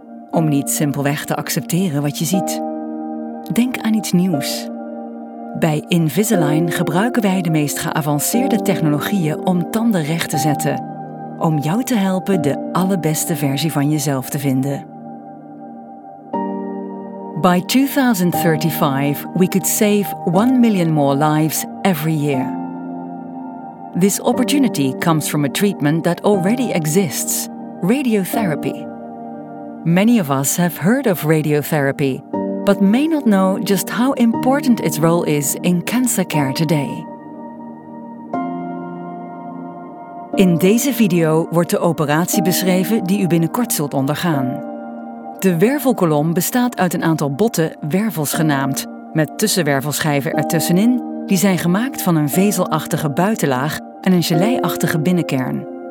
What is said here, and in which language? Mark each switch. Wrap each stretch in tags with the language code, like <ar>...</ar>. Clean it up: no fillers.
<nl>Om niet simpelweg te accepteren wat je ziet. Denk aan iets nieuws. Bij Invisalign gebruiken wij de meest geavanceerde technologieën om tanden recht te zetten. Om jou te helpen de allerbeste versie van jezelf te vinden.</nl> <en>By 2035, we could save 1 million more lives every year. This opportunity comes from a treatment that already exists, radiotherapy. Many of us have heard of radiotherapy, but may not know just how important its role is in cancer care today.</en> <nl>In deze video wordt de operatie beschreven die u binnenkort zult ondergaan. De wervelkolom bestaat uit een aantal botten, wervels genaamd, met tussenwervelschijven ertussenin, die zijn gemaakt van een vezelachtige buitenlaag en een geleiachtige binnenkern.</nl>